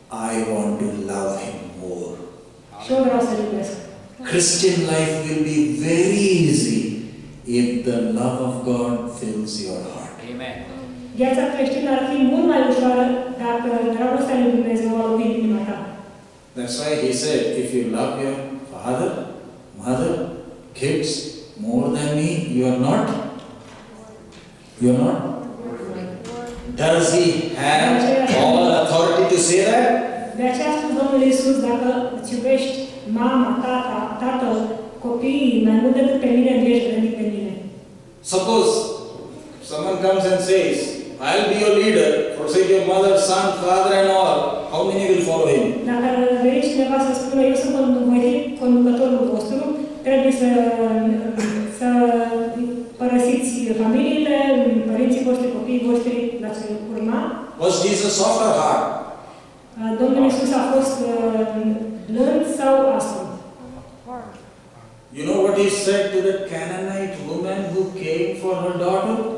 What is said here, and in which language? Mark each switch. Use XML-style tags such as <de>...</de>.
<en>I want to love him more.</en> <ro>Și eu vreau să-l iubesc.</ro> <en>Christian life will be very easy if the love of God fills your heart. Amen.</en> <ro>Viața creștină ar fi mult mai ușoară dacă dragostea lui Dumnezeu a luat inima ta.</ro> <en>That's why he said, if you love your father, mother, kids more than me, you are not. Does he have all authority to say that?</en> <ro>De aceea spune Domnul Iisus, dacă îți iubești mama, tata, copiii mai mult decât pe mine, ești vrednic de mine.</ro> <en>Suppose someone comes and says, I'll be your leader, forsake your mother, son, father and all. How many will follow him?</en> <ro>Dacă ar veni cineva să spună, eu sunt conducătorul vostru, trebuie să părăsiți familiile, părinții voștri, copiii voștri, l-ați urma.</ro> <en>Was Jesus soft or hard?</en> <ro>Domnul Iisus a fost blând sau aspru?</ro> <en>You know what he said to the Canaanite woman who came for her daughter?</en>